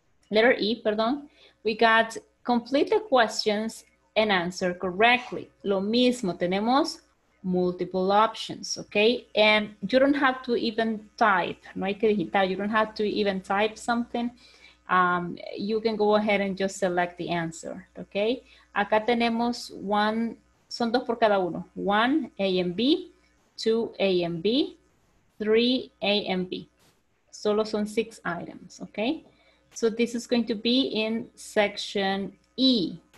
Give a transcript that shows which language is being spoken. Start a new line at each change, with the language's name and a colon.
English: Letter E, we got complete the questions and answer correctly.
Spanish: Lo mismo, tenemos
English: multiple options,
Spanish: okay?
English: And you don't have to even type,
Spanish: no hay que digitar,
English: you don't have to even type something. You can go ahead and just select the answer, okay?
Spanish: Acá tenemos one, son dos por cada uno.
English: One, A and B, two, A and B, 3 A and B.
Spanish: Solo son 6 items,
English: okay? So this is going to be in section E.